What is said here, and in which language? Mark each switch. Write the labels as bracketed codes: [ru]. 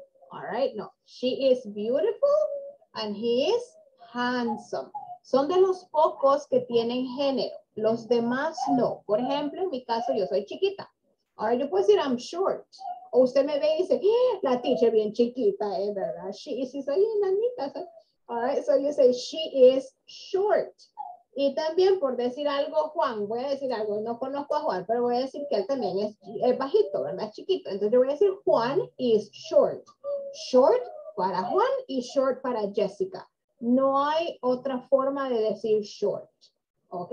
[en] All right, no. She is beautiful and he is handsome. [es] Son de los pocos que tienen género. Los demás no. Por ejemplo, en mi caso, yo soy chiquita. Ahora yo puedo decir, [en] I'm short. [es] O usted me ve y dice, la teacher bien chiquita, ¿eh? ¿Verdad? She soy enanita, ¿sabes? [en] All right, so you say she is short. [es] Y también por decir algo, Juan, voy a decir algo, no conozco a Juan, pero voy a decir que él también es bajito, ¿verdad? Es chiquito. Entonces yo voy a decir Juan is short. Short para Juan y short para Jessica. No hay otra forma de decir short. ¿Ok?